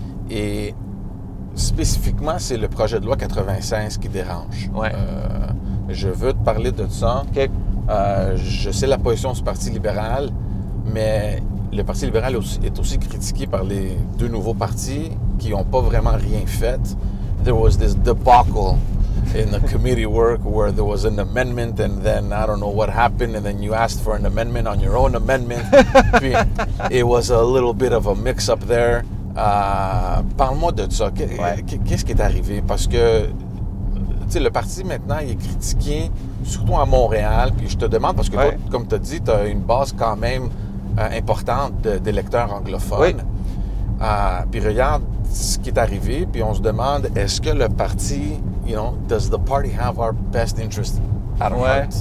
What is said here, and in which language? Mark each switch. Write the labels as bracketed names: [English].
[French] Et spécifiquement, c'est le projet de loi 96 qui dérange. Ouais. Je veux te parler de ça. Okay. Je sais la position du Parti libéral, mais le Parti libéral est aussi critiqué par les deux nouveaux partis qui n'ont pas vraiment rien fait. [English] There was this debacle in the committee work where there was an amendment and then I don't know what happened and then you asked for an amendment on your own amendment. Puis, it was a little bit of a mix-up there. [French] Parle-moi de ça. Qu'est-ce qui est arrivé? Parce que, tu sais, le parti maintenant, il est critiqué, surtout à Montréal. Puis je te demande, parce que toi, comme tu as dit, tu as une base quand même importante d'électeurs anglophones. Puis regarde ce qui est arrivé, puis on se demande, est-ce que le parti... [English] You know, does the party have our best interest at heart?